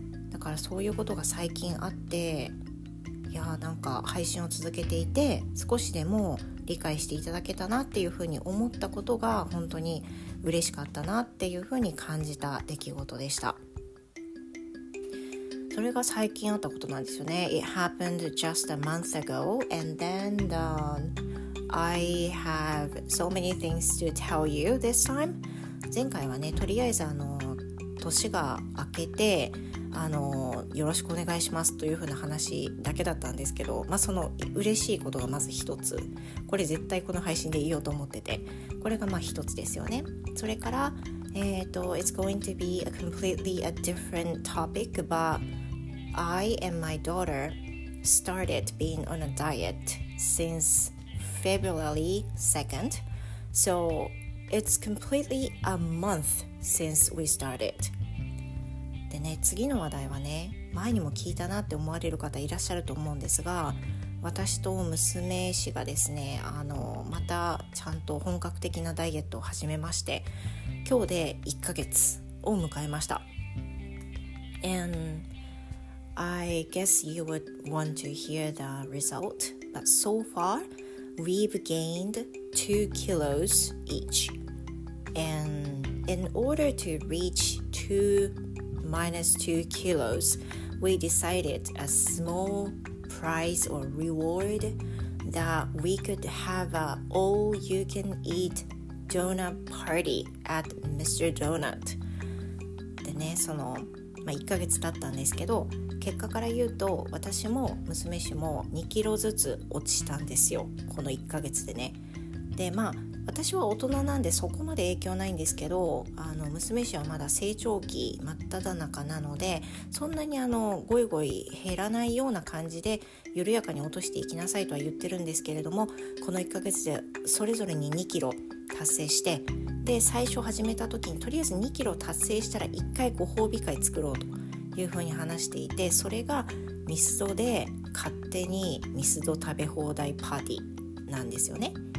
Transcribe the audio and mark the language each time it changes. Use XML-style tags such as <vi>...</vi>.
<ja>だからそういうことが最近あって、いやなんか配信を続けていて少しでも理解していただけたなっていうふうに思ったことが本当に嬉しかったなっていうふうに感じた出来事でした。それが最近あったことなんですよね。</ja> <en>It happened just a month ago and then I have so many things to tell you this time.</en> <ja>前回はね、とりあえず年が明けてよろしくお願いしますというふうな話だけだったんですけど、まあその嬉しいことがまず一つ、これ絶対この配信で言おうと思ってて、これがまあ一つですよね。</ja> <en>それから It's going to be a completely a different topic, but I and my daughter started being on a diet since February 2nd. So it's completely a month since we started.</en> <ja>でね、次の話題はね、前にも聞いたなって思われる方いらっしゃると思うんですが、私と娘氏がですね、またちゃんと本格的なダイエットを始めまして、今日で1ヶ月を迎えました。</ja> <en>And I guess you would want to hear the result, but so far we've gained 2 kilos each. And in order to reach 2 minus 2 kilos, we decided a small prize or reward that we could have a all-you-can-eat donut party at Mr. Donut.</en> <ja>でね、まあ、1ヶ月経ったんですけど、結果から言うと私も娘氏も2キロずつ落ちたんですよ、この1ヶ月でね。でまあ私は大人なんでそこまで影響ないんですけど、娘氏はまだ成長期真っただ中なので、そんなにゴイゴイ減らないような感じで緩やかに落としていきなさいとは言ってるんですけれども、この1ヶ月でそれぞれに2キロ達成して、で最初始めた時にとりあえず2キロ達成したら1回ご褒美会作ろうというふうに話していて、それがミスドで勝手にミスド食べ放題パーティーなんですよね。</ja>